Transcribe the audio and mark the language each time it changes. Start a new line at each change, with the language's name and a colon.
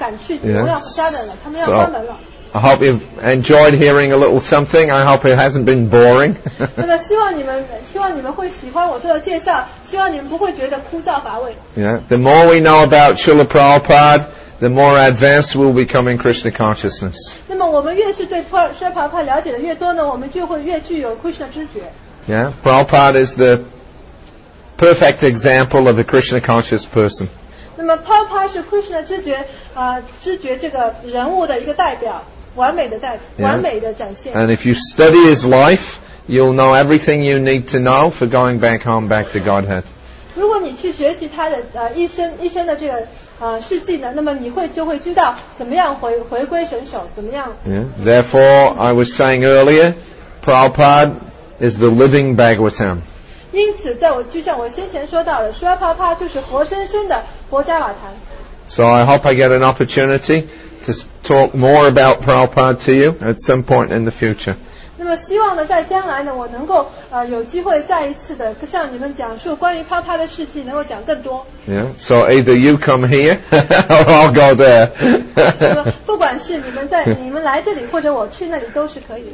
Chinese: 这就是我们今天要做的介绍，因为我们没有足够的时间，你们要赶快赶去，他们要关门了。
English: I hope you've enjoyed hearing a little something. I hope it hasn't been boring.
Chinese: 希望你们会喜欢我做的介绍，希望你们不会觉得枯燥乏味。
English: Yeah, the more we know about Srila Prabhupada, the more advanced we'll become in Krishna consciousness.
Chinese: 那么我们越是对释迦牟尼佛了解的越多呢，我们就会越具有 Krishna 知觉。
English: Yeah, Prabhupada is the perfect example of a Krishna conscious person.
Chinese: 那么 Prabhupada 是 Krishna 知觉啊、知觉这个人物的一个代表，完美的代表、
English: yeah.
Chinese: 完美的展现。
English: And if you study his life, you'll know everything you need to know for going back home, back to Godhead.
Chinese: 如果你去学习他的一生的这个事迹呢，那么你会就会知道怎么样回归神首，怎么样。
English: Yeah. Therefore, I was saying earlier, Prabhupada is the living Bhagavatam.
Chinese: 因此，在我就像我先前说到的，说Prabhupada就是活生生的佛加瓦坛。
English: So I hope I get an opportunity to talk more about Prabhupada to you at some point in the future.
Chinese: 那么希望呢，在将来呢，我能够有机会再一次的向你们讲述关于Prabhupada的事迹，能够讲更多。
English: Yeah. So either you come here or I'll go there.
Chinese: 不管是你们在你们来这里，或者我去那里，都是可以。